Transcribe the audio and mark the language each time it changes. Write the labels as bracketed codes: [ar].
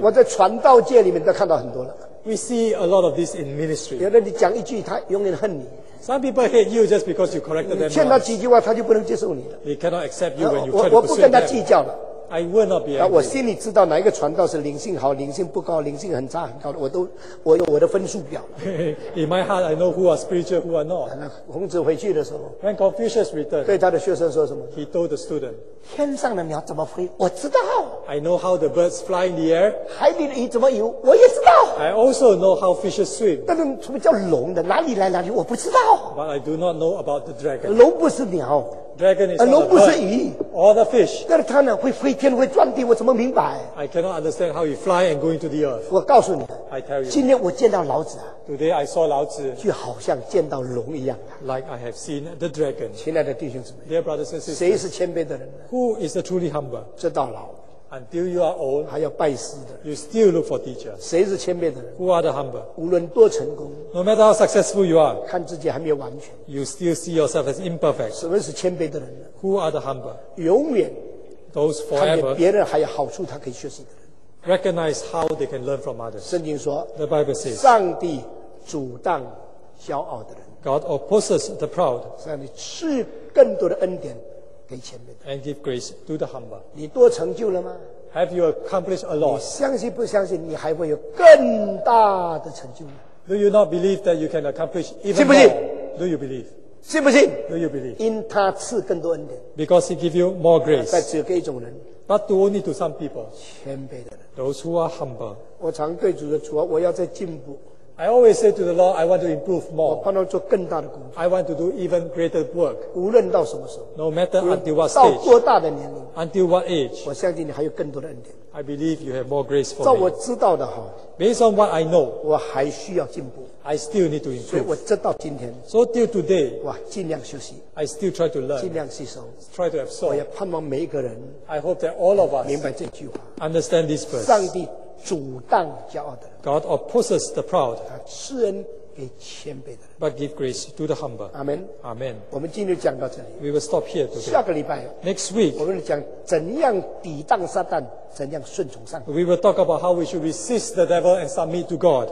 [zh] 我在传道界里面都看到很多了。 [en] We see a lot of this in ministry. [zh] 有的你讲一句，他永远恨你。 [en] Some people hate you just because you corrected them. [zh] 你劝他几句话，他就不能接受你了。 [en] He cannot accept you when you try to persuade them. [zh] 我不跟他计较了。 [en] I will not be angry. [zh] 我心里知道哪一个传道是灵性好，灵性不高，灵性很差很高的，我有我的分数表。 [en] In my heart, I know who are spiritual, who are not. [zh] 孔子回去的时候 [en] ，When Confucius returned, [zh] 对他的学生说什么 [en] ？He told the student, [zh] 天上的鸟怎么飞？我知道。 [en] I know how the birds fly in the air. [zh] 海里的鱼怎么游？我也知道。 [en] I also know how fishes swim. [zh] 但是什么叫龙的？哪里来哪里？我不知道。 [en] But I do not know about the dragon. [zh] 龙不是鸟。 [en] Dragon is not a bird. All the fish. [zh] 但是它呢会飞天会转地，我怎么明白 [en] ？I cannot understand how you fly and go into the earth. [zh] 我告诉你 [en] ，I tell you. [zh] 今天我见到老子啊 [en] ，Today I saw 老子， [zh] 就好像见到龙一样。 [en] Like I have seen the dragon. [zh] 亲爱的弟兄姊妹 [en] ，Dear brothers and sisters, [zh] 谁是谦卑的人 [en] ？Who is the truly humble? [zh] 直到老 [en] ，Until you are old, [zh] 还要拜师的 [en] ，You still look for teacher. [zh] 谁是谦卑的人 [en] ？Who are the humble? [zh] 无论多成功。 [en] No matter how successful you are, [zh] 看自己还没有完全。 [en] You still see yourself as imperfect. [zh] 什么是谦卑的人呢 [en] ？Who are the humble? [zh] 永远 [en] ，those forever. [zh] 看见别人还有好处，他可以学习的人。 [en] Recognize how they can learn from others. [zh] 圣经说 [en] ，The Bible says, [zh] 上帝阻挡骄傲的人。 [en] God opposes the proud. [zh] 上帝赐更多的恩典给谦卑的人。 [en] And give grace to the humble. [zh] 你多成就了吗 [en] ？Have you accomplished a lot? [zh] 你相信不相信，你还会有更大的成就呢？ [en] Do you not believe that you can accomplish even more? [zh] 信不信 [en] ？Do you believe? [zh] 信不信 [en] ？Do you believe? [zh] 因他赐更多恩典。 [en] Because he give you more grace. [zh] 但只有给一种人。 [en] But to only to some people. [zh] 谦卑的人。 [en] Those who are humble. [zh] 我常对主说：“主啊，我要再进步。” [en] I always say to the Lord, I want to improve more. [zh] 我盼望做更大的工作。 [en] I want to do even greater work. [zh] 无论到什么时候。 [en] No matter until what stage. [zh] 到多大的年龄。 [en] Until what age. [zh] 我相信你还有更多的恩典。 [en] I believe you have more grace for me. [zh] 照我知道的哈。 [en] Based on what I know, [zh] 我还需要进步。 [en] I still need to improve. [zh] 所以我直到今天。 [en] So till today, [zh] 我尽量学习。 [en] I still try to learn. [zh] 尽量吸收。 [en] Try to absorb. [zh] 我也盼望每一个人。 [en] I hope that all of us [zh] 明白这句话。 [en] Understand this verse. [zh] 上帝阻挡骄傲的人。 [en] God opposes the proud. [zh] 他赐恩给谦卑的人。 [en] But give grace to the humble. Amen. Amen. [zh] 我们今天讲到这里。 [en] We will stop here today. [zh] 下个礼拜。 [en] Next week. [zh] 我们讲怎样抵挡撒旦，怎样顺从上帝。 [en] We will talk about how we should resist the devil and submit to God.